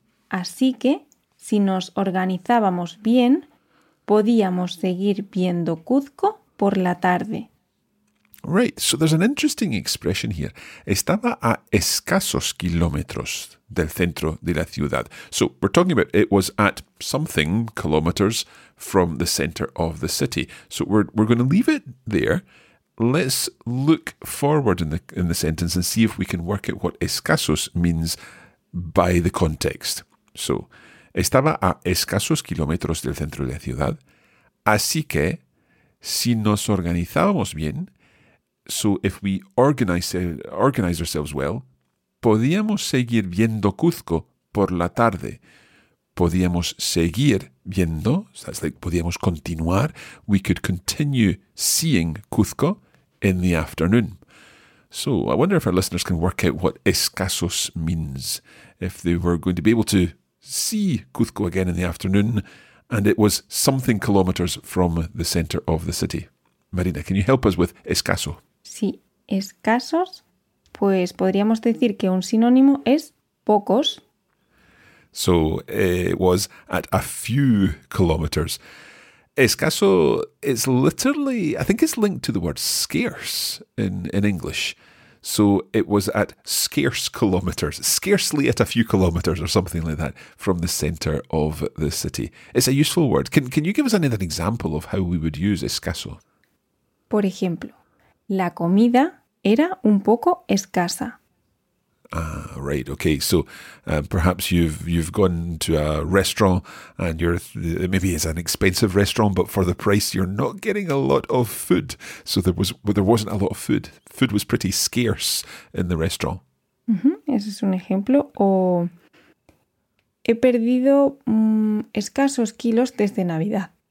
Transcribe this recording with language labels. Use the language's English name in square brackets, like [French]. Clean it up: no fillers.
[Spanish] Así que, si nos organizábamos bien, podíamos seguir viendo Cuzco por la tarde. [English] Right, so there's an interesting expression here. [Spanish] Estaba a escasos kilómetros del centro de la ciudad. [English] So we're talking about it was at something kilometers from the center of the city. So we're going to leave it there. Let's look forward in the sentence and see if we can work out what escasos means by the context. [Spanish] So, estaba a escasos kilómetros del centro de la ciudad. Así que, si nos organizábamos bien, [English] so if we organize ourselves well, [Spanish] podíamos seguir viendo Cuzco por la tarde. Podíamos seguir viendo, [English] so that's like [Spanish] podíamos continuar, [English] we could continue seeing Cuzco in the afternoon. So I wonder if our listeners can work out what escasos means, if they were going to be able to see Cuzco again in the afternoon, and it was something kilometers from the center of the city. Marina, can you help us with escaso? [Spanish] Sí, escasos, pues podríamos decir que un sinónimo es pocos. [English] So it was at a few kilometers. Escaso is literally, I think it's linked to the word scarce in English. So it was at scarce kilometers, scarcely at a few kilometers or something like that from the center of the city. It's a useful word. Can you give us another example of how we would use escaso? [Spanish] Por ejemplo, la comida era un poco escasa. [English] Ah, right. Okay. So perhaps you've gone to a restaurant and maybe it's an expensive restaurant, but for the price, you're not getting a lot of food. So there wasn't a lot of food. Food was pretty scarce in the restaurant. [Spanish] Mm-hmm. Ese es un ejemplo. O he perdido escasos kilos desde Navidad.